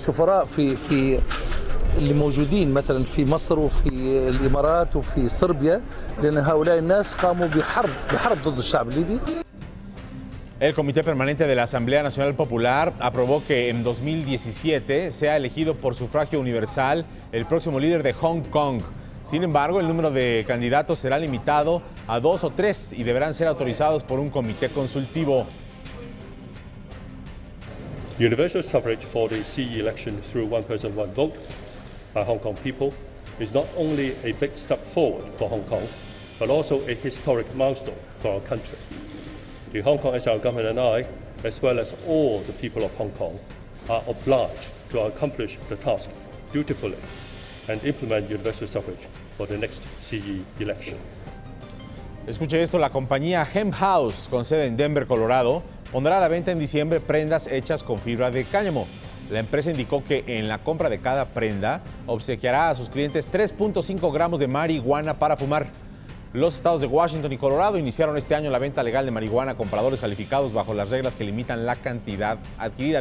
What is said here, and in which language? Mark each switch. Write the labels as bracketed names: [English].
[Arabic] اللي موجودين مثلا في مصر وفي الامارات وفي صربيا لان هؤلاء الناس قاموا بحرب ضد الشعب الليبي. [Spanish] El Comité Permanente de la Asamblea Nacional Popular aprobó que en 2017 sea elegido por sufragio universal el próximo líder de Hong Kong. Sin embargo, el número de candidatos será limitado a 2 o 3 y deberán ser autorizados por un comité consultivo. [English] Universal suffrage for the CE election through one person one vote by Hong Kong people is not only a big step forward for Hong Kong, but also a historic milestone for our country. The Hong Kong SAR government and I, as well as all the people of Hong Kong, are obliged to accomplish the task dutifully and implement universal suffrage for the next CE election. [Spanish] Escuche esto, la compañía Hem House, con sede en Denver, Colorado, pondrá a la venta en diciembre prendas hechas con fibra de cáñamo. La empresa indicó que en la compra de cada prenda obsequiará a sus clientes 3.5 gramos de marihuana para fumar. Los estados de Washington y Colorado iniciaron este año la venta legal de marihuana a compradores calificados bajo las reglas que limitan la cantidad adquirida.